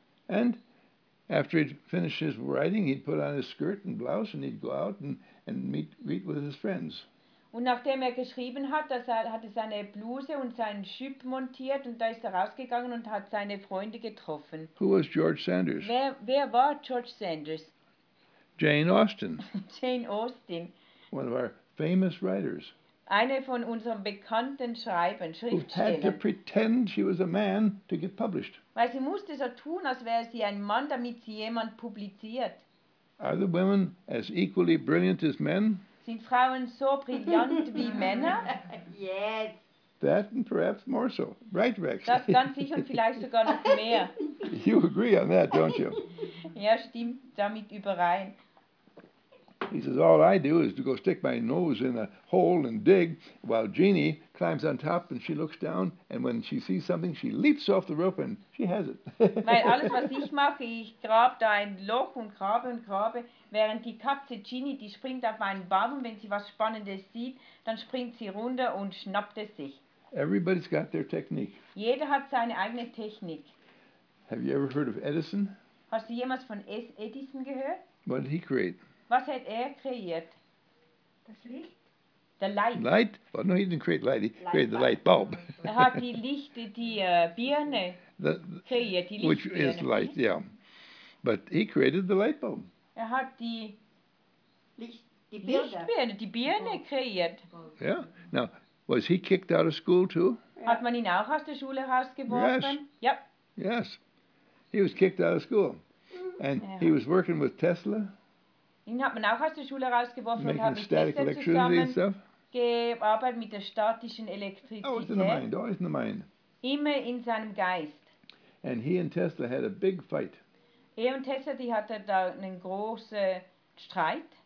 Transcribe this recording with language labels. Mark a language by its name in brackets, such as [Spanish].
[English] And after he'd finished his writing, he'd put on his skirt and blouse and he'd go out and meet with his friends. [German] Und nachdem er geschrieben hat, hat er seine Bluse und seinen Schüpp montiert und da ist er rausgegangen und hat seine Freunde getroffen. [English] Who was George Sanders? [German] Wer war George Sanders? [English] Jane Austen. [German] Jane Austen. [English] One of our famous writers. [German] Eine von unseren bekannten Schreibern, Schriftstellern. [English] Who had to pretend she was a man to get published. [German] Weil sie musste so tun, als wäre sie ein Mann, damit sie jemand publiziert. [English] Are the women as equally brilliant as men? [German] Sind Frauen so brillant wie Männer? [English] Yes. That and perhaps more so. Right, Rex? [German] Das ganz sicher und vielleicht sogar noch mehr. [English] You agree on that, don't you? [German] Ja, stimmt damit überein. [English] He says, all I do is to go stick my nose in a hole and dig while Jeannie climbs on top and she looks down and when she sees something, she leaps off the rope and she has it. [German] Weil alles, was ich mache, ich grabe da ein Loch und grabe, während die Katze Jeannie, die springt auf einen Baum und wenn sie was Spannendes sieht, dann springt sie runter und schnappt es sich. [English] Everybody's got their technique. [German] Jeder hat seine eigene Technik. [English] Have you ever heard of Edison? [German] Hast du jemals von Edison gehört? [English] What did he create? [German] Was hat kreiert? Das Licht. [English] The light. Light? Well, no, he didn't create light. He created the light bulb. [German] Er hat die Licht, die Birne kreiert. Die [English] which is light, yeah. But he created the light bulb. [German] Er hat die Lichtbirne, die Birne kreiert. [English] Yeah. Now, was he kicked out of school too? Yeah. [German] Hat man ihn auch aus der Schule rausgeworfen? [English] Yes. Yep. Yes. He was kicked out of school. And he was working with Tesla. [German] Ihn hat man auch aus der Schule rausgeworfen und hat mit Tesla zusammengearbeitet mit der statischen Elektrizität. [English] Always in the mind, always in the mind. [German] Immer in seinem Geist. [English] And he and Tesla had a big fight. [German] Er und Tesla, die hatten da einen großen Streit.